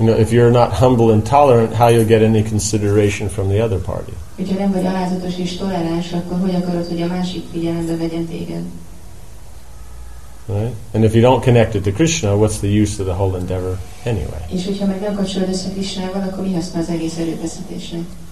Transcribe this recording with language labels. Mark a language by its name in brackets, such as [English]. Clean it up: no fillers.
[English] You know, if you're not humble and tolerant, how you'll get any consideration from the other party? [Hungarian] Hogyha nem vagy alázatos és toleráns, akkor hogy akarod, hogy a másik figyelembe vegyen téged? [English] Right? And if you don't connect it to Krishna, what's the use of the whole endeavor anyway? [Hungarian] És hogyha meg nem kapcsolod össze Krishnával, akkor mi haszna az egész erőfeszítésnek?